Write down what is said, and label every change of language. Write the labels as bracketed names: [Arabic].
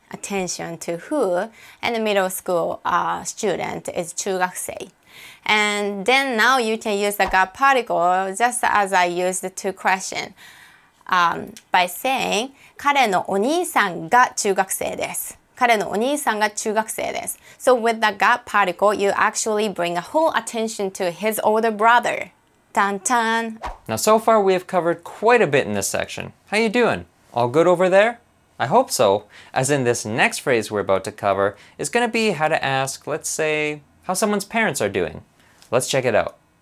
[English] Attention to who, and the middle school student is 中学生. And then now you can use the ga particle just as I used to question by saying [Japanese] 彼のお兄さんが中学生です. 彼のお兄さんが中学生です. [English] So with the ga particle, you actually bring a whole attention to his older brother. Tan tan. Now so far we have covered quite a bit in this section. How you doing? All good over there? I hope so, as in this next phrase we're about to cover is going to be how to ask, let's say, how someone's parents are doing. Let's check it out.